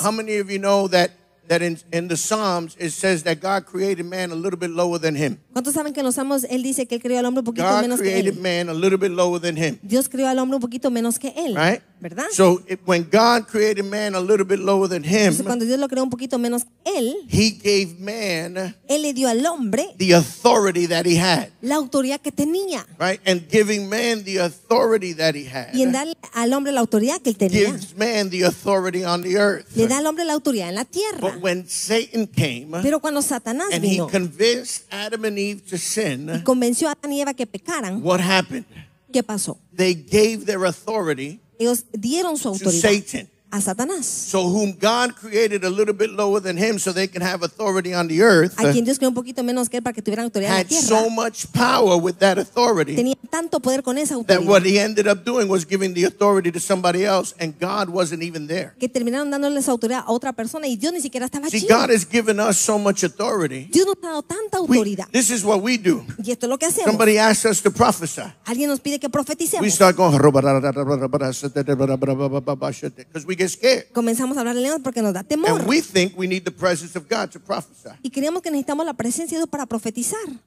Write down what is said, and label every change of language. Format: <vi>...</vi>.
<en>How many of you know that in the Psalms it says that God created man a little bit lower than him?</en> <es>¿Cuántos saben que en los Salmos él dice que él creó al hombre un poquito</es> <en>God</en> <es>menos</es> <en>created</en> <es>que él?</es> <en>Man a little bit lower than him.</en> <es>Dios creó al hombre un poquito menos que él.</es> <en>Right?</en> <es>¿Verdad?</es> <en>So when God created man a little bit lower than him,</en> <es>entonces, cuando Dios lo creó un poquito menos él,</es> <en>he gave man</en> <es>él le dio al hombre</es> <en>the authority that he had.</en> <es>La autoridad que tenía.</es> <en>Right? And giving man the authority that he had</en> <es>y en darle al hombre la autoridad que él tenía,</es> <en>gives man the authority on the earth.</en> <es>Le da al hombre la autoridad en la tierra.</es> <en>But when Satan came,</en> <es>pero cuando Satanás</es> <en>and</en> <es>vino,</es> <en>he convinced Adam and Eve to sin,</en> <es>y convenció a Adán y Eva que pecaran,</es> <en>what happened?</en> <es>¿Qué pasó?</es> <en>They gave their authority</en> <es>ellos dieron su autoridad</es> <en>Satan.</en> <es>A Satanás.</es> <en>So whom God created a little bit lower than him so they can have authority on the earth.</en> <es>A quien Dios creó un poquito menos que él para que tuvieran autoridad en la tierra.</es> <en>Had so much power with that authority.</en> <es>Tenía tanto poder con esa autoridad.</es> <en>That what he ended up doing was giving the authority to somebody else and God wasn't even there.</en> <es>Que terminaron dándole esa autoridad a otra persona y Dios ni siquiera estaba allí.</es> <en>See, God has given us so much authority.</en> <es>Dios nos ha dado tanta autoridad.</es> <en>This is what we do.</en> <es>Y esto es lo que hacemos.</es> <en>Somebody asks us to prophesy.</en> <es>Alguien nos pide que profeticemos.</es> <en>We start going because we get scared.</en> <es>Comenzamos a hablar en lenguas porque nos da temor.</es> <en>And we think we need the presence of God to prophesy.</en> <es>Y creemos que necesitamos la presencia de Dios para profetizar.</es>